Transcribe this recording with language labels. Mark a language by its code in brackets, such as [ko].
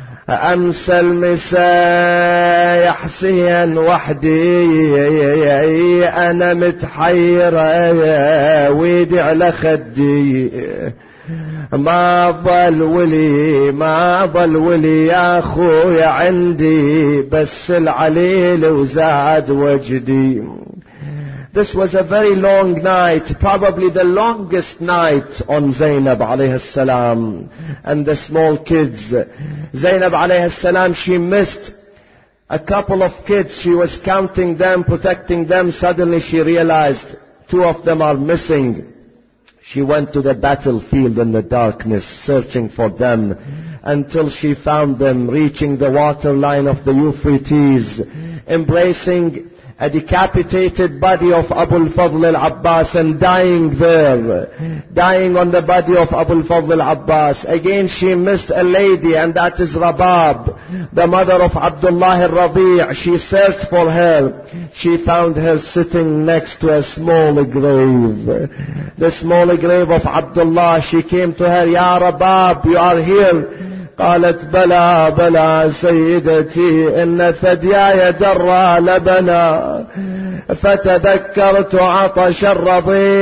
[ar] أمسى المساء يحسيا وحدي أنا متحيرة يا ويدي على خدي ما ظل ولي ما ظل ولي يا أخوي عندي بس العليل وزاد وجدي. [en] This was a very long night, probably the longest night on Zainab alayhi salam and the small kids. Zainab alayhi salam, she missed a couple of kids. She was counting them, protecting them. Suddenly she realized two of them are missing. She went to the battlefield in the darkness, searching for them, until she found them, reaching the waterline of the Euphrates, embracing a decapitated body of Abu al-Fadl al-Abbas and dying there, dying on the body of Abu al-Fadl al-Abbas. Again she missed a lady, and that is Rabab, the mother of Abdullah al-Rabi'. She searched for her. She found her sitting next to a small grave, the small grave of Abdullah. She came to her, "Ya Rabab, you are here." [ar] قالت بلى بلى سيدتي إن ثدياي درى لبنا فتذكرت عطش الرضيع